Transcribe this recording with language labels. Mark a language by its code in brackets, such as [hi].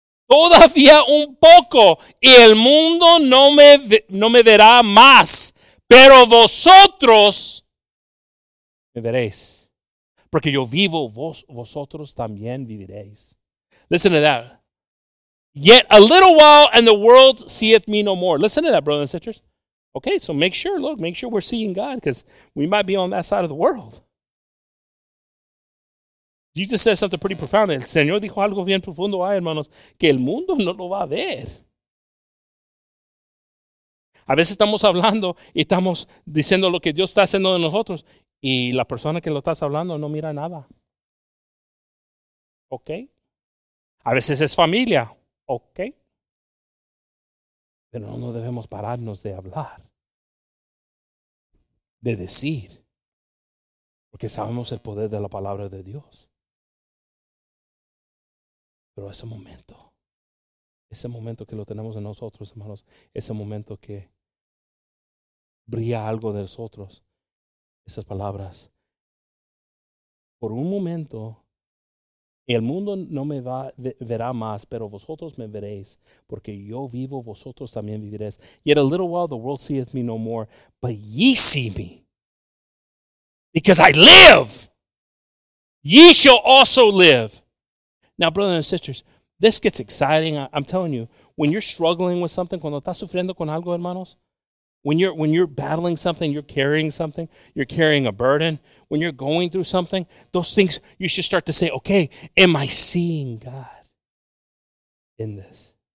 [es] Todavía un poco y el mundo no me verá más, pero vosotros me veréis, porque yo vivo, vosotros también viviréis. [en] Listen to that. Yet a little while and the world seeth me no more. Listen to that, brothers and sisters. Okay, so make sure we're seeing God, because we might be on that side of the world. Jesus says something pretty profound. [es] El Señor dijo algo bien profundo, ay, hermanos, que el mundo no lo va a ver. A veces estamos hablando y estamos diciendo lo que Dios está haciendo de nosotros y la persona que lo estás hablando no mira nada. ¿Ok? A veces es familia. ¿Ok? Pero no debemos pararnos de hablar, de decir, porque sabemos el poder de la palabra de Dios. Pero ese momento que lo tenemos en nosotros, hermanos, ese momento que brilla algo de nosotros, esas palabras. Por un momento, el mundo no me va verá más, pero vosotros me veréis, porque yo vivo, vosotros también viviréis. [en] Yet a little while the world seeth me no more, but ye see me, because I live, ye shall also live. Now, brothers and sisters, this gets exciting. I'm telling you, when you're struggling with something, [es] cuando estás sufriendo con algo, hermanos, [en] when you're battling something, you're carrying something, you're carrying a burden, when you're going through something, those things, you should start to say, okay, am I seeing God in this?